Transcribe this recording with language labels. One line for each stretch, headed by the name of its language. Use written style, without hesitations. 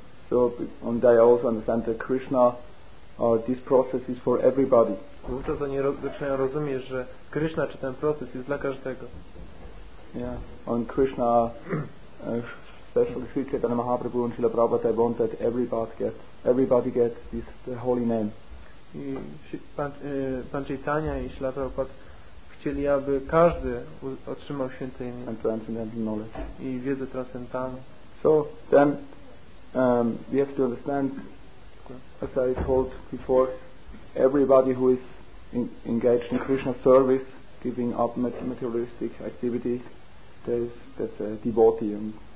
English: So on they also understand that Krishna this process is for everybody.
Polish: Wówczas oni zaczynają rozumieć, że Krishna czy ten proces jest dla każdego.
English: Yeah. On Krishna especially Sri Chaitanya Mahaprabhu and Srila Prabhupada, they want that everybody get this the holy name.
Polish: I pan Chaitanya i Śrila Prabhupada chcieli, aby każdy otrzymał święte imię
English: and transcendental knowledge.
Polish: I wiedzę transcendentalną.
English: So then we have to understand, as I told before, everybody who is engaged in Krishna service, giving up materialistic activity, that's a devotee and